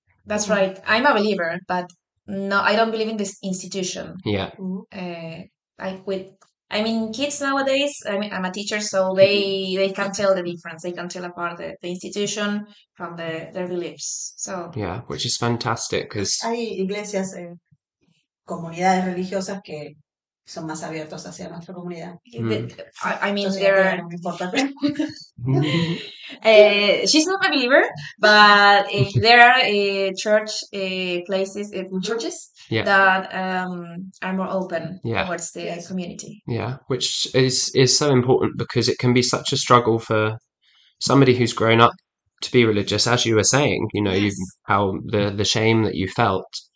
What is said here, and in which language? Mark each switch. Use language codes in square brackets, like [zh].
[en] That's right. I'm a believer, but no, I don't believe in this institution. Yeah. Mm-hmm. I mean, kids nowadays, I mean, I'm a teacher, so they can tell the difference. They can tell apart the institution from their beliefs. So yeah, which is fantastic, because [es] hay iglesias, comunidades religiosas que son más abiertos hacia nuestra comunidad. [en] Mm. I mean, there are. she's not a believer, but there are churches. Yeah. That are more open towards the community. Yeah, which is so important, because it can be such a struggle for somebody who's grown up to be religious, as you were saying, you know, how the shame that you felt.